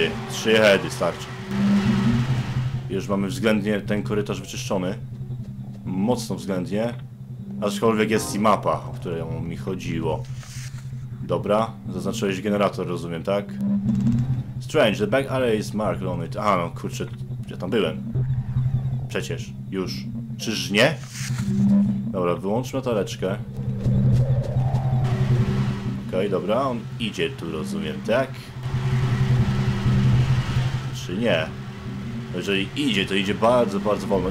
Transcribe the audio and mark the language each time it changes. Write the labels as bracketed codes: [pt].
[pl] Trzy heady starczy. Już mamy względnie ten korytarz wyczyszczony. Mocno względnie. Aczkolwiek jest i mapa, o której mi chodziło. Dobra, zaznaczyłeś generator, rozumiem, tak? [en] Strange, the back alley is marked on it. [pl] Aha, no kurczę, ja tam byłem. Przecież, już. Czyż nie? Dobra, wyłączmy toreczkę. Okej, okay, dobra, on idzie tu, rozumiem, tak? Czy nie? Jeżeli idzie, to idzie bardzo, bardzo wolno.